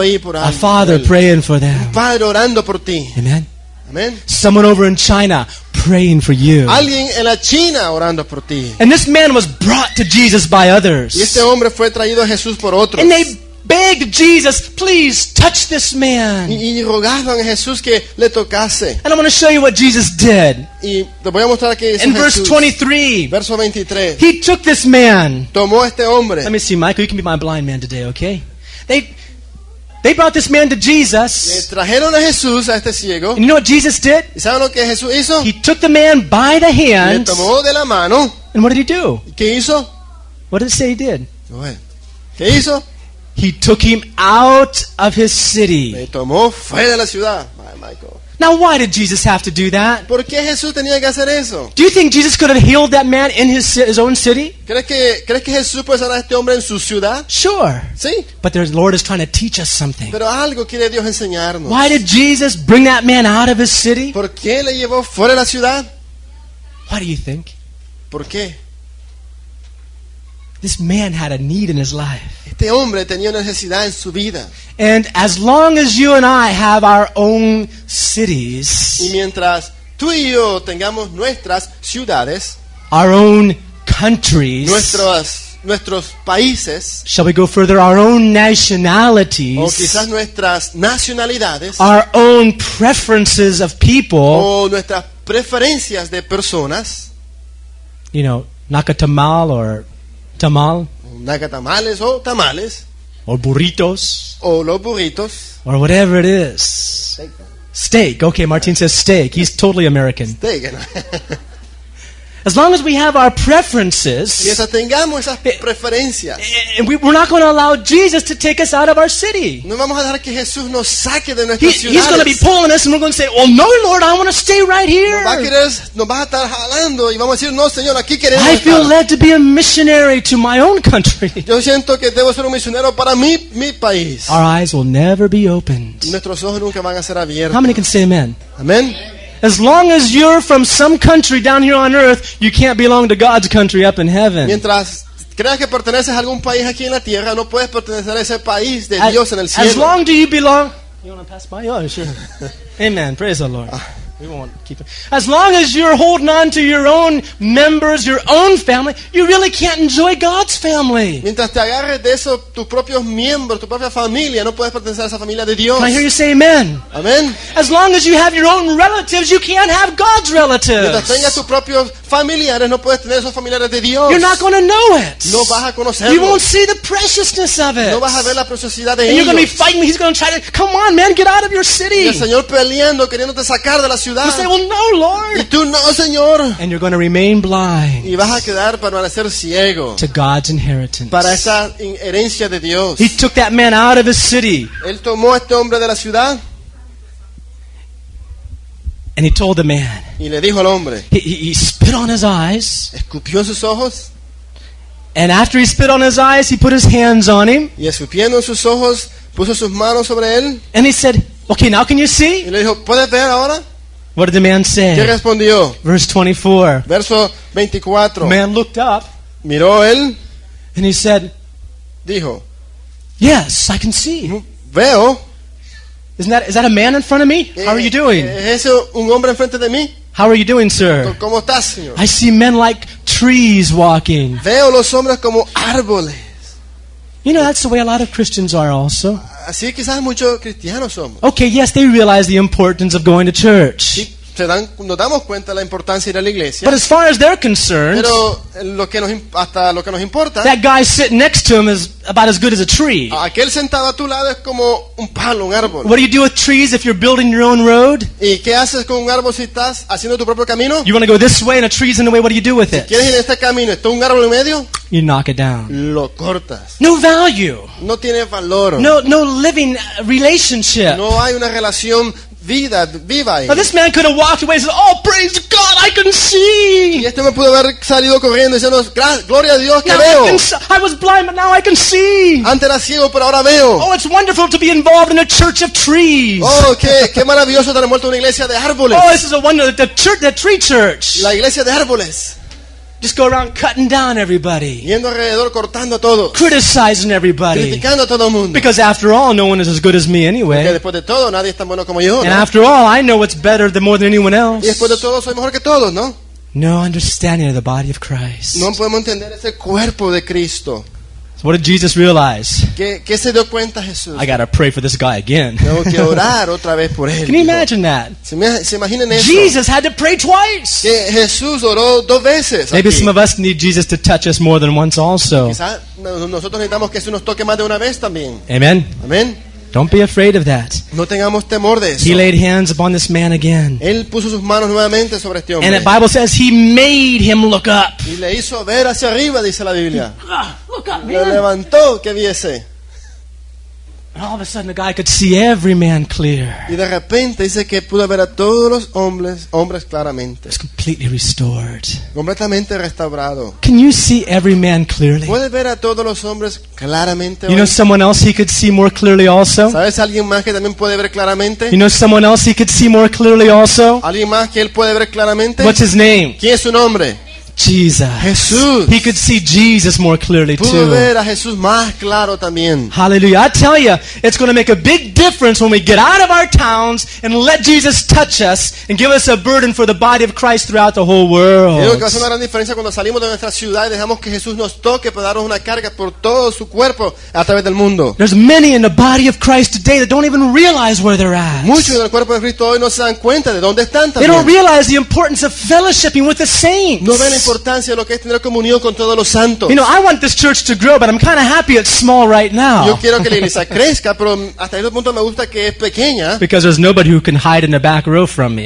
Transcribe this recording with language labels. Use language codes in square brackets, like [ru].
[en] A father praying for them. [es] Un padre orando por ti. [en] Amen. [es] Amen. [en] Someone over in China praying for you. [es] Alguien en la China orando por ti. [en] And this man was brought to Jesus by others. [es] Y este hombre fue traído a Jesús por otros. [en] And they begged Jesus, please touch this man. [es] Y rogaban a Jesús que le tocase. [en] And I'm going to show you what Jesus did. [es] Y te voy a mostrar qué hizo [en] Jesús. In verse 23. [es] Verso 23. [en] He took this man. [es] Tomó este hombre. [en] Let me see, Michael. You can be my blind man today, okay? They brought this man to Jesus. [es] Le trajeron a Jesús a este ciego. [en] You know what Jesus did? [es] ¿Y saben lo que Jesús hizo? [en] He took the man by the hand. [es] Le tomó de la mano. [en] And what did he do? [es] ¿Qué hizo? [en] What did it say he did? [es] ¿Qué hizo? [en] He took him out of his city. [es] Le tomó fuera de la ciudad. [en] Now, why did Jesus have to do that? [es] ¿Por qué Jesús tenía que hacer eso? [en] Do you think Jesus could have healed that man in his own city? [es] ¿Crees que Jesús puede sanar a este hombre en su ciudad? [en] Sure. [es] Sí. [en] But the Lord is trying to teach us something. [es] Pero algo quiere Dios enseñarnos. [en] Why did Jesus bring that man out of his city? [es] ¿Por qué le llevó fuera de la ciudad? [en] What do you think? [es] ¿Por qué? [en] This man had a need in his life. [es] Este hombre tenía una necesidad en su vida. [en] And as long as you and I have our own cities, [es] y mientras tú y yo tengamos nuestras ciudades, [en] our own countries, [es] nuestros países, [en] shall we go further, our own nationalities, [es] o quizás nuestras nacionalidades, [en] our own preferences of people, [es] o nuestras preferencias de personas, [en] you know, nacatamal or tamal, [es] nacatamales o tamales, [en] or burritos, [es] o los burritos, [en] or whatever it is. Steak. Okay, Martin says steak. He's totally American. Steak. As long as we have our preferences, [es] mientras tengamos esas preferencias, [en] and we're not going to allow Jesus to take us out of our city. [es] No vamos a dejar que Jesús nos saque de nuestras ciudades. [en] He's going to be pulling us, and we're going to say, "Oh no, Lord, I want to stay right here." [es] Nos va a estar jalando y vamos a decir, "No, Señor, aquí queremos estar." [en] I feel led to be a missionary to my own country. [es] Yo siento que debo ser un misionero para mi país. [en] Our eyes will never be opened. [es] Nuestros ojos nunca van a ser abiertos. [en] How many can say amen? [es] Amen. [en] As long as you're from some country down here on earth, you can't belong to God's country up in heaven. [es] Mientras creas que perteneces a algún país aquí en la tierra, no puedes pertenecer a ese país de Dios en el cielo. [en] As long do you belong? You want to pass by? Oh, sure. Amen. Praise the Lord. We won't keep it. As long as you're holding on to your own members, your own family, you really can't enjoy God's family. [es] Mientras te agarres de eso, tus propios miembros, tu propia familia, no puedes pertenecer a esa familia de Dios. [en] Can I hear you say amen? [es] Amen. [en] As long as you have your own relatives, you can't have God's relatives. [es] Mientras tengas tus propios familiares, no puedes tener esos familiares de Dios. [en] You're not going to know it. [es] No vas a conocerlo. [en] You won't see the preciousness of it. [es] No vas a ver la preciosidad de ellos. [en] You're going to be fighting. He's going to try to, come on, man, get out of your city. [es] Y el Señor peleando, queriéndote sacar de la ciudad. [en] You say, "Well, no, Lord." [es] Y tú, no, Señor. [en] And you're going to remain blind. [es] Y vas a quedar para permanecer ciego. [en] To God's inheritance. [es] Para esa herencia de Dios. [en] He took that man out of his city. [es] Él tomó a este hombre de la ciudad. [en] And he told the man. [es] Y le dijo al hombre. [en] He spit on his eyes. [es] Escupió sus ojos. [en] And after he spit on his eyes, he put his hands on him. [es] Y escupiendo sus ojos, puso sus manos sobre él. [en] And he said, "Okay, now can you see?" [es] Y le dijo, "¿Puedes ver ahora?" [en] What did the man say? [es] ¿Qué respondió? [en] Verse 24. [es] Verso 24. [en] The man looked up. [es] Miró él. [en] And he said, [es] dijo, [en] "Yes, I can see." [es] Veo. [en] Is that a man in front of me? How are you doing? [es] ¿Es un hombre enfrente de mí? [en] How are you doing, sir? [es] ¿Cómo estás, señor? [en] I see men like trees walking. [es] Veo los hombres como árboles. [en] You know, that's the way a lot of Christians are also. [es] Así quizás muchos cristianos somos. [en] Okay, yes, they realize the importance of going to church. [es] Sí, nos damos cuenta de la importancia de ir a la iglesia. [en] But as far as they're concerned, [es] pero hasta lo que nos importa, [en] that guy sitting next to him is about as good as a tree. [es] Aquel sentado a tu lado es como un palo, un árbol. [en] What do you do with trees if you're building your own road? [es] ¿Y qué haces con un árbol si estás haciendo tu propio camino? [en] You want to go this way and a tree's in the way. What do you do with it? [es] Si quieres ir en este camino, está un árbol en medio. [en] You knock it down. [es] Lo cortas. [en] No value. [es] No tiene valor. [en] No living relationship. [es] No hay una relación vida viva ahí. [en] Now this man could have walked away and said, "Oh, praise God, I can see." [es] Y este me pudo haber salido corriendo diciendo, "Gloria a Dios, que [en] now [es] veo." [en] I was blind, but now I can see. [es] Antes era ciego, pero ahora veo. [en] Oh, it's wonderful to be involved in a church of trees. [es] Oh, qué maravilloso estar envuelto en una iglesia de árboles. [en] Oh, this is a wonder, the tree church. [es] La iglesia de árboles. [en] Just go around cutting down everybody. [es] Yendo alrededor cortando todo. [en] Criticizing everybody. [es] Criticando a todo el mundo. [en] Because after all, no one is as good as me anyway. [es] Porque después de todo, nadie es tan bueno como yo. [en] And [es] ¿no? [en] After all, I know what's better than more than anyone else. [es] Y después de todo, soy mejor que todos, ¿no? [en] No understanding of the body of Christ. [es] No podemos entender ese cuerpo de Cristo. [en] So what did Jesus realize? [es] ¿Qué se dio cuenta Jesús? [en] I gotta pray for this guy again. [es] Tengo que orar otra vez por él. [en] Can you imagine that? [es] ¿Se imaginan eso? [en] Jesus had to pray twice. [es] Que Jesús oró dos veces. [en] Maybe [es] aquí. [en] Some of us need Jesus to touch us more than once also. [es] Quizá nosotros necesitamos que Jesús nos toque más de una vez también. [en] Amen. [es] Amen. [en] Don't be afraid of that. [es] No tengamos temor de eso. [en] He laid hands upon this man again. [es] Él puso sus manos nuevamente sobre este hombre. [en] And the Bible says he made him look up. [es] Y le hizo ver hacia arriba, dice la Biblia. [en] Look up, man. [es] Le levantó que viese. [en] And all of a sudden the guy could see every man clear. [es] Y de repente dice que pudo ver a todos los hombres claramente. [en] It's completely restored. [es] Completamente restaurado. [en] Can you see every man clearly? [es] ¿Puede ver a todos los hombres claramente? [en] You know someone else he could see more clearly also? [es] ¿Sabes alguien más que también puede ver claramente? [en] You know someone else he could see more clearly also? [es] ¿Alguien más que él puede ver claramente? [en] What's his name? [es] ¿Quién es su nombre? [en] Jesus. [es] Jesús. [en] He could see Jesus more clearly [es] Pudo [en] too. [es] Ver a Jesús más claro también. [en] Hallelujah. I tell you, it's going to make a big difference when we get out of our towns and let Jesus touch us and give us a burden for the body of Christ throughout the whole world. [es] Creo que va a ser una gran diferencia cuando salimos de nuestra ciudad y dejamos que Jesús nos toque para darnos una carga por todo su cuerpo a través del mundo. [en] There's many in the body of Christ today that don't even realize where they're at. [es] Muchos en el cuerpo de Cristo hoy no se dan cuenta de dónde están también. [en] They don't realize the importance of fellowshipping with the saints. [es] No ven la importancia de lo que es tener comunión con todos los santos. [en] You know, I want this church to grow, but I'm kind of happy it's small right now. [es] Yo quiero que la iglesia crezca, pero hasta este punto me gusta que es pequeña. [en] Because there's nobody who can hide in the back row from me.